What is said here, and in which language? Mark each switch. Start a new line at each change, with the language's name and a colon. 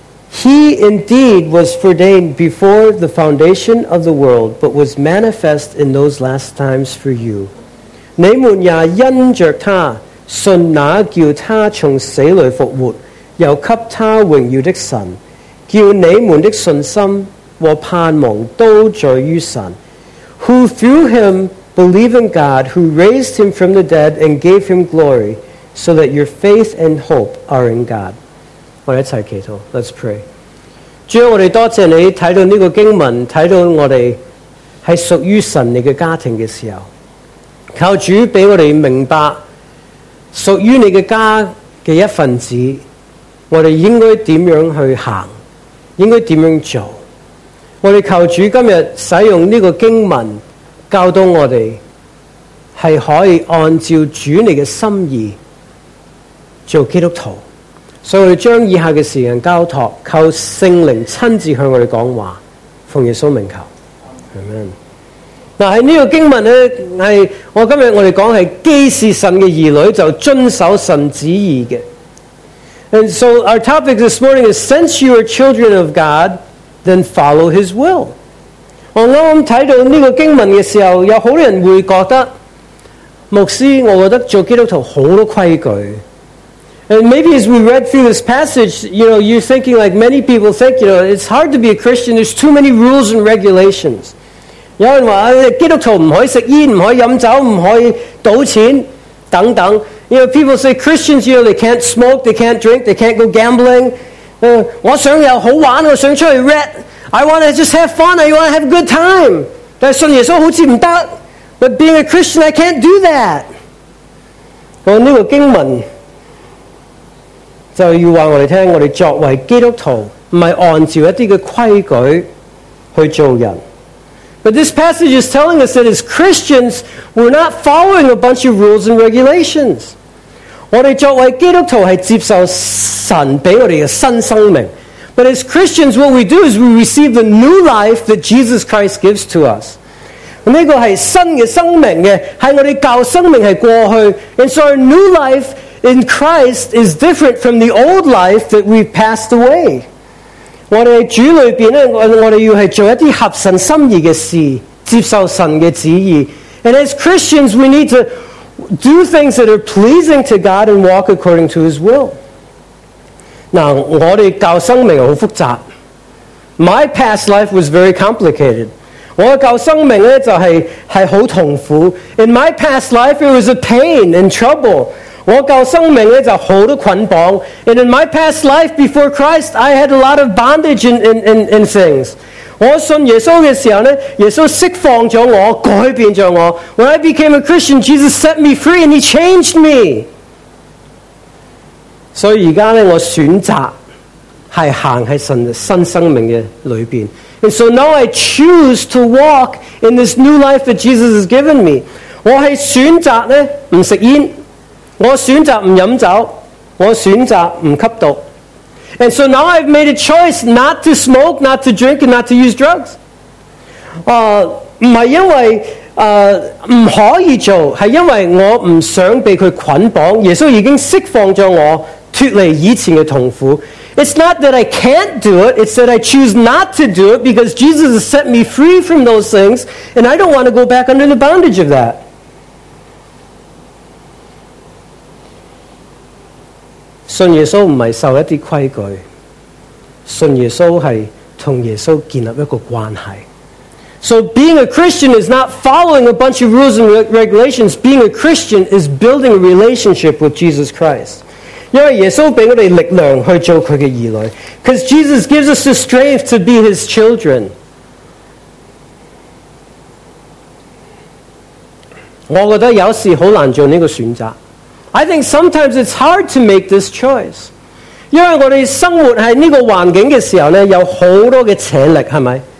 English: He indeed was ordained before the foundation of the world, but was manifest in those last times for you.
Chinese: 你们也因着他，信那叫他从死里复活，又给他荣耀的神，叫你们的信心和盼望都在于神。
English: Who through him believe in God, who raised him from the dead and gave him glory, so that your faith and hope are in God.
Chinese: 我们一起祈祷。
English: Let's pray.
Chinese: 主，我们多谢你看到这个经文，看到我们是属于神你的家庭的时候，求主给我们明白属于你的家的一份子，我们应该怎样去行，应该怎样做。我们求主今天使用这个经文教导我们，是可以按照主你的心意做基督徒。所以我们将以下的时间交托，求圣灵亲自向我们讲话，奉耶稣名求， Amen。在这个经文呢，是我今天我们讲是既是神的儿女就遵守神旨意的。
English: And so our topic this morning is, since you are children of God, then follow his will。
Chinese: 我刚刚看到这个经文的时候，有很多人会觉得，牧师，我觉得做基督徒很多规矩。
English: And maybe as we read through this passage, you know, you're thinking like many people think, you know, it's hard to be a Christian, there's too many rules and regulations.
Chinese: 有人说基督徒不可以吃烟，不可以喝酒，不可以赌钱等等。
English: You know, people say Christians, you know, they can't smoke, they can't drink, they can't go gambling.
Chinese: 我想有好玩，我想出去
English: red, I want to just have fun, I want to have a good time.
Chinese: 但信耶稣好像不行，
English: But being a Christian, I can't do that.
Chinese: 我这个经文就要告诉我们，我们作为基督徒不是按照一些规矩去做人。
English: But this passage is telling us that as Christians, we're not following a bunch of rules and regulations.
Chinese: 我们作为基督徒是接受神给我们的新生命。
English: But as Christians, what we do is we receive the new life that Jesus Christ gives to us.
Chinese: 这个是新的生命的，是我们旧生命是过去。
English: And so our new lifeIn Christ is different from the old life that we've passed away.
Chinese: 我们主里面呢，我们要是做一些合神心意的事，接受神的旨意。
English: And as Christians, we need to do things that are pleasing to God and walk according to His will. Now,
Chinese: 我们旧生命很复杂。
English: My past life was very complicated.
Chinese: 我的旧生命呢，就是很痛苦。
English: In my past life, it was a pain and trouble.
Chinese: 我旧生命就好多捆绑。
English: And in my past life before Christ, I had a lot of bondage in things.
Chinese: 我信耶稣的时候呢，耶稣释放了我，改变了我。
English: When I became a Christian, Jesus set me free and he changed me.
Chinese: 所以现在呢，我选择是行在神的新生命的里面。
English: And so now I choose to walk in this new life that Jesus has given me.
Chinese: 我是选择呢不吃烟，我选择不饮酒，我选择不吸毒。
English: And so now I've made a choice not to smoke, not to drink, and not to use drugs.
Chinese: 不是因为不可以做，是因为我不想被他捆绑。耶稣已经释放了我，脱离以前的痛苦。
English: It's not that I can't do it, it's that I choose not to do it because Jesus has set me free from those things and I don't want to go back under the bondage of that.
Chinese: 信耶稣不是受一些规矩，信耶稣是跟耶稣建立一个关系。
English: So being a Christian is not following a bunch of rules and regulations. Being a Christian is building a relationship with Jesus Christ.
Chinese: 因为耶稣给我们力量去做他的儿女，
English: Because Jesus gives us the strength to be his children.
Chinese: 我觉得有时很难做这个选择。
English: I think sometimes it's hard to make this choice.
Chinese: 因为我们生活在这个环境的时候呢，有很多的扯力，是吗？